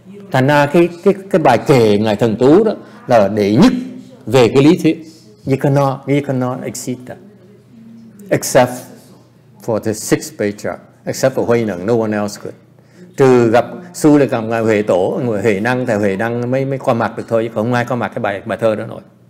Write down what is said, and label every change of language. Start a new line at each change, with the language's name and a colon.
Vietnamese: Thành ra cái bài kệ ngài thần tú đó là đệ nhất về cái lý thuyết.
English: You cannot exceed that, except for the sixth patriarch, except for Huy Nhẫn. No one else could.
Vietnamese: Trừ gặp su là cầm ngoài Huệ Tổ, người Huệ Năng, thầy Huệ Năng mới mới qua mặt được thôi, chứ không ai qua mặt cái bài thơ đó nổi.